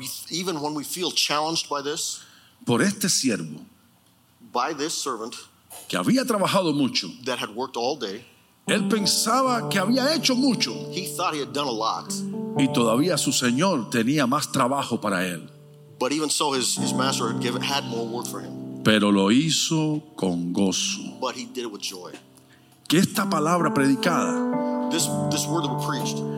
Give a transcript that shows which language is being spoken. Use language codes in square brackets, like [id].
[en] even when we feel challenged by this. [es] Por este siervo, [en] by this servant, [es] que había trabajado mucho, [en] that had worked all day, [es] él pensaba que había hecho mucho, [en] he thought he had done a lot, [es] y todavía su señor tenía más trabajo para él. [en] But even so, his master had more work for him. [es] Pero lo hizo con gozo. [en] But he did it with joy. [es] Que esta palabra predicada, [en] this word that we preached,